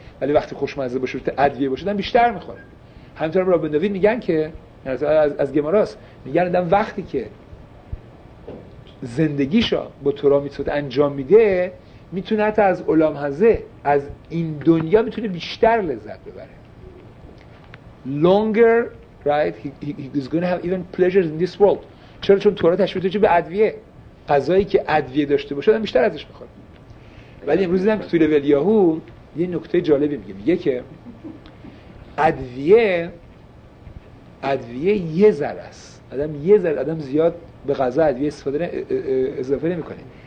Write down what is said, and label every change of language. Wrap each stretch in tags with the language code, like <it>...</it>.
<fa>ولی وقتی خوشمزه باشه وقتی ادویه باشه آدم بیشتر میخوره. همینطور رابین نوید میگن که از گماراس میگن آدم وقتی که زندگیشا با تورا میتوت انجام میده میتونه حتی از علام هزه از این دنیا میتونه بیشتر لذت ببره.</fa> <en>Longer, right? He's going to have even pleasures in this world.</en> <fa>چرا؟ چون تورا تشبیه تو چه به ادویه. غذایی که ادویه داشته باشه آدم بیشتر ازش میخواد. ولی امروز دیدم که توی لول یاهو یه نکته جالبی میگه. میگه که ادویه یه ذره است. آدم زیاد به غذا ادویه استفاده اضافه نمی کنه.</fa>